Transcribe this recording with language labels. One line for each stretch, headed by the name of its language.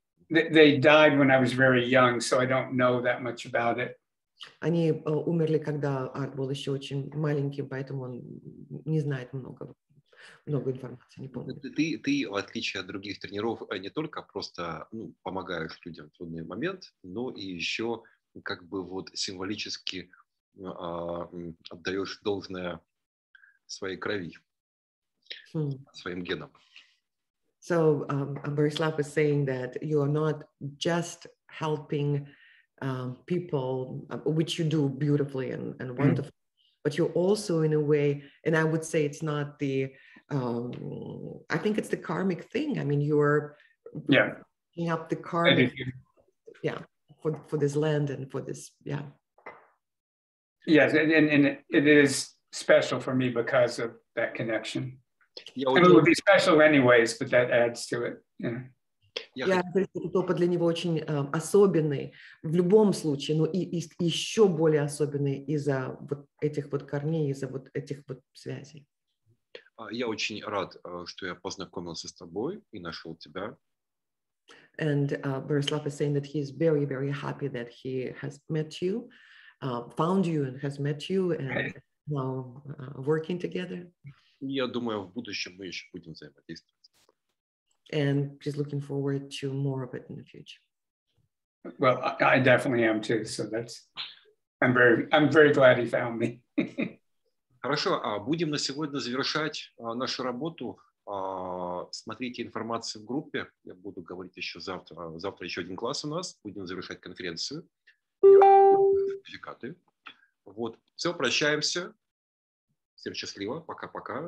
English: They died when I was very young, so I don't know that much about it.
Russian: Они умерли, когда Арт был еще очень маленьким, поэтому он не знает много информации, не помню. Ты, в отличие от других тренеров, не только просто помогаешь людям в трудный момент, но и еще как бы вот символически отдаешь должное своей крови, своим генам.
English: So Borislav is saying that you are not just helping people, which you do beautifully and wonderfully, but you're also in a way, and I would say it's not the, I think it's the karmic thing. I mean, you're picking up the karmic, for this land and for this, Yes, and it is special for me because of that connection. And it would be special anyways, but that adds to it.
Russian: Этот опыт для него очень особенный в любом случае, но и еще более особенный из-за вот этих вот корней, из-за вот этих вот связей. Я очень рад, что я познакомился с тобой и нашел тебя.
English: And Borislav is saying that he is very, very happy that he has met you, found you and has met you and now working together.
Russian: Я думаю, в будущем мы еще будем взаимодействовать.
English: And just looking forward to more of it in the future. Well, I definitely am too. So that's, I'm very glad he found me.
Russian: Хорошо, будем на сегодня завершать нашу работу. Смотрите информацию в группе. Я буду говорить еще завтра. Завтра еще один класс у нас. Будем завершать конференцию. Сертификаты. Вот. Все, прощаемся. Всем счастливо. Пока-пока.